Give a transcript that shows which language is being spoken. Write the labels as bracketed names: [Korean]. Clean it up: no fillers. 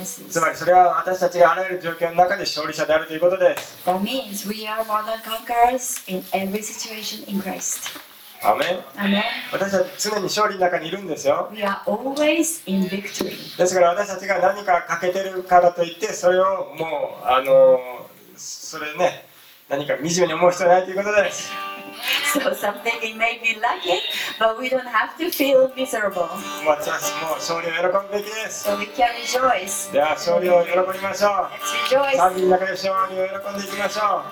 [Japanese] つまりそれは私たちがあらゆる状況の中で勝利者であるということです。 [English] That means we are more than conquerors in every situation in Christ. [Japanese] アメン。アメン。私たちは常に勝利の中にいるんですよ。 [English] We are always in victory. [Japanese] ですから私たちが何か欠けてるからといって、それをもうそれね、何か惨めに思う必要ないということです。 [English] So something may be lucky, but we don't have to feel miserable. [Japanese] 私も勝利を喜ぶべきです。 [English] So we can rejoice. [Japanese] では勝利を喜びましょう。 [English] Let's rejoice. [Japanese] 賛美の中で勝利を喜んでいきましょう。